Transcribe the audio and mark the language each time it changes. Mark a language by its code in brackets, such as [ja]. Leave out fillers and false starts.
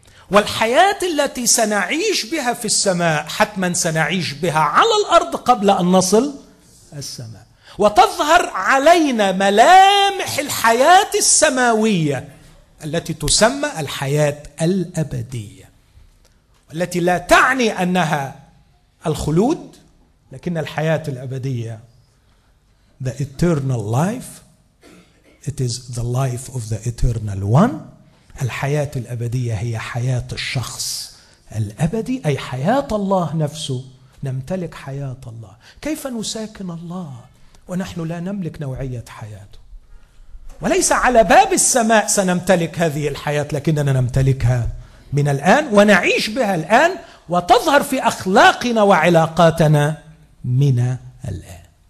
[ar] والحياة التي سنعيش بها في السماء حتما سنعيش بها على الأرض قبل أن نصل السماء، وتظهر علينا ملامح الحياة السماوية التي تسمى الحياة الأبدية، التي لا تعني أنها الخلود لكن الحياة الأبدية. [en] The eternal life, it is the life of the eternal one. [ar] الحياة الأبدية هي حياة الشخص الأبدي، أي حياة الله نفسه، نمتلك حياة الله. كيف نساكن الله ونحن لا نملك نوعية حياته؟ وليس على باب السماء سنمتلك هذه الحياة، لكننا نمتلكها من الآن ونعيش بها الآن، وتظهر في أخلاقنا وعلاقاتنا من الآن.